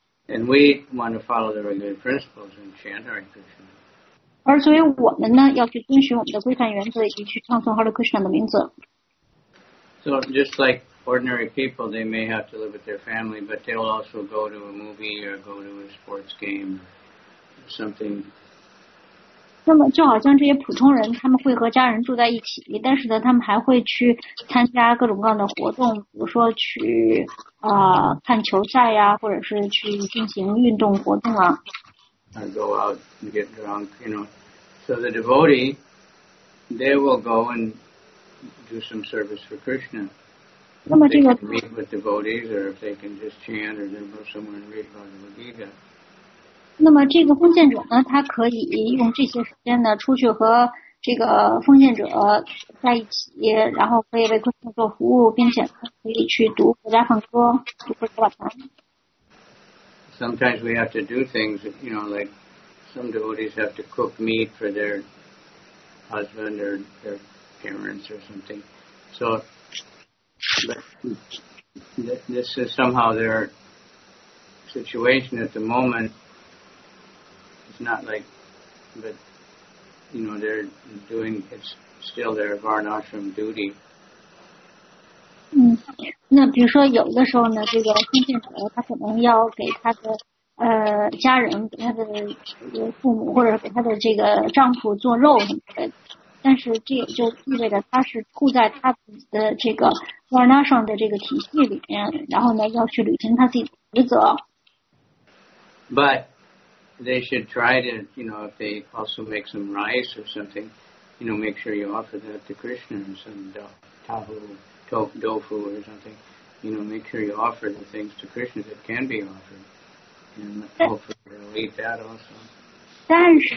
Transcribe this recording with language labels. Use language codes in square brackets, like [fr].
[en] And we want to follow the regular principles and chant our Krishna. [zh] 而所以我们呢，要去遵循我们的规范原则，以及去唱诵 Hare Krishna 的名字。 [en] So just like ordinary people, they may have to live with their family, but they will also go to a movie or go to a sports game or something. [zh] 那么就好像这些普通人，他们会和家人住在一起，但是呢，他们还会去参加各种各样的活动，比如说去看球赛呀，或者是去进行运动活动啊。 [en] Or go out and get drunk, you know. So the devotee, they will go and do some service for Krishna. If they can meet with devotees, or if they can just chant, or they go somewhere and read Bhagavad Gita. [zh] 那么这个奉献者呢，他可以用这些时间呢，出去和这个奉献者在一起，然后可以为 Krishna 做服务，并且可以去读佛家梵歌，读佛教法。 [en] Sometimes we have to do things, you know, like some devotees have to cook meat for their husband or their parents or something. So, but this is somehow their situation at the moment. It's not like, but, you know, they're doing, it's still their varnashram duty. [zh] 那比如说有的时候呢，这个奉献者他可能要给他的家人、给他的父母或者给他的这个丈夫做肉什么的，但是这也就意味着他是处在他自己的这个 varnashram 的这个体系里面，然后呢要去履行他自己的职责。 [en] But they should try to, you know, if they also make some rice or something, you know, make sure you offer that to Krishna and some tahu. Tofu or something, you know, make sure you offer the things to Krishna that can be offered. And hopefully they'll eat that also. You